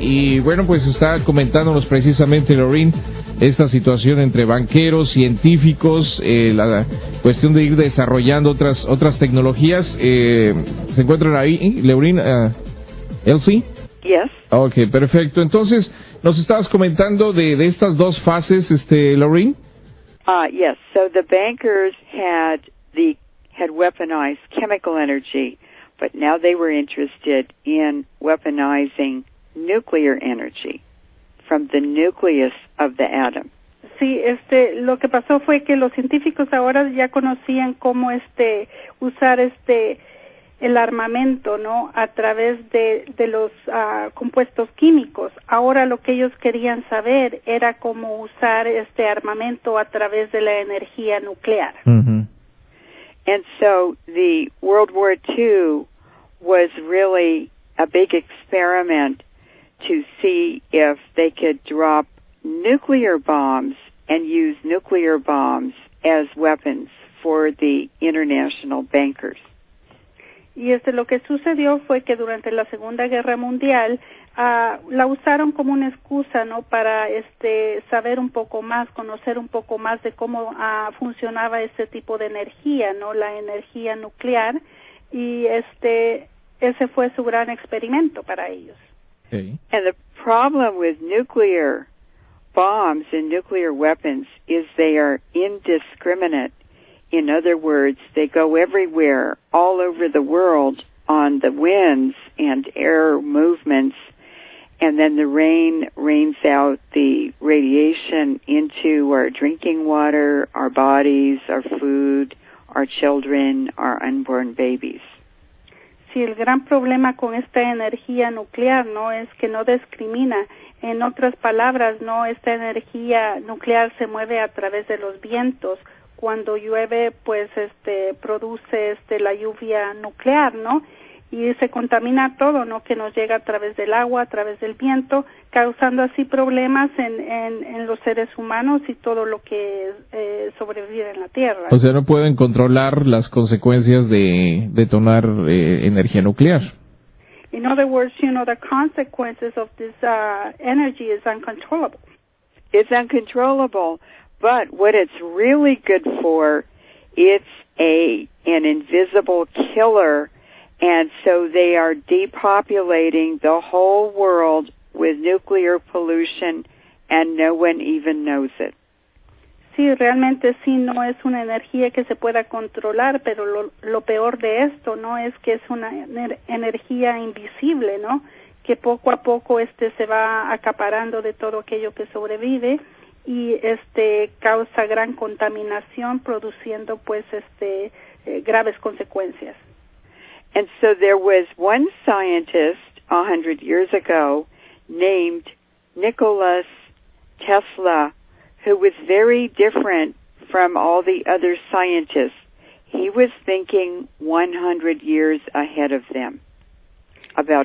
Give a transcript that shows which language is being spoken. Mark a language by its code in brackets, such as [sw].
[es] Y bueno, pues está comentándonos precisamente, Laureen, esta situación entre banqueros, científicos, la cuestión de ir desarrollando otras tecnologías. ¿Se encuentran ahí, Laureen? ¿Elsie? [en] Yes. [es] Ok, perfecto. Entonces, nos estabas comentando de estas dos fases, Laureen. [en] Yes. So the bankers had weaponized chemical energy, but now they were interested in weaponizing nuclear energy from the nucleus of the atom. [es] Sí, lo que pasó fue que los científicos ahora ya conocían cómo usar el armamento, ¿no? A través de los compuestos químicos. Ahora lo que ellos querían saber era cómo usar este armamento a través de la energía nuclear. Mm-hmm. [en] And so the World War II was really a big experiment to see if they could drop nuclear bombs and use nuclear bombs as weapons for the international bankers. [es] Y lo que sucedió fue que durante la Segunda Guerra Mundial la usaron como una excusa, ¿no?, para saber un poco más, conocer un poco más de cómo funcionaba ese tipo de energía, ¿no?, la energía nuclear, y ese fue su gran experimento para ellos. [en] Okay. And the problem with nuclear bombs and nuclear weapons is they are indiscriminate. In other words, they go everywhere, all over the world, on the winds and air movements, and then the rain rains out the radiation into our drinking water, our bodies, our food, our children, our unborn babies. [es] Sí, el gran problema con esta energía nuclear, ¿no?, es que no discrimina. En otras palabras, ¿no?, esta energía nuclear se mueve a través de los vientos. Cuando llueve, pues produce la lluvia nuclear, ¿no? Y se contamina todo, ¿no?, que nos llega a través del agua, a través del viento, causando así problemas en los seres humanos y todo lo que sobrevive en la Tierra. O sea, no pueden controlar las consecuencias de detonar energía nuclear. [en] In other words, you know, the consequences of this energy is uncontrollable. It's uncontrollable. But what it's really good for, it's an invisible killer, and so they are depopulating the whole world with nuclear pollution, and no one even knows it. [es] Sí, realmente sí, no es una energía que se pueda controlar, pero lo peor de esto, ¿no?, es que es una energía invisible, ¿no?, que poco a poco se va acaparando de todo aquello que sobrevive, y causa gran contaminación, produciendo pues graves consecuencias. [en] And so there was one scientist 100 years ago named Nikola Tesla, who was very different from all the other scientists. He was thinking 100 years ahead of them about